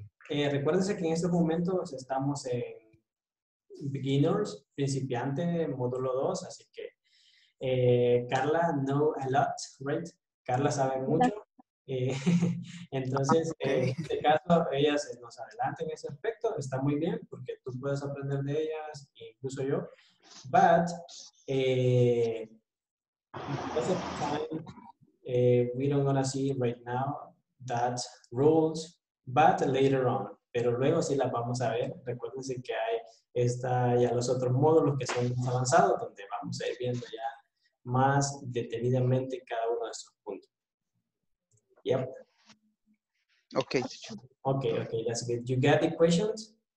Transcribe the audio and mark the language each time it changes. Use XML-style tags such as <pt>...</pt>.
<es>Yeah. Recuérdense que en estos momentos estamos en beginners, principiante, módulo 2, así que Carla</es> <en>know a lot, right?</en> <es>Carla sabe mucho. Entonces, en este caso, ella se nos adelanta en ese aspecto. Está muy bien porque tú puedes aprender de ellas, incluso yo.</es> <en>But, because of time, we don't gonna see right now that rules. But later on,</en> <es>pero luego sí las vamos a ver. Recuérdense que hay esta y a los otros módulos que son más avanzados, donde vamos a ir viendo ya más detenidamente cada uno de esos puntos.</es> <en>Yep. Okay. Okay, okay, that's good. You got the questions?</en>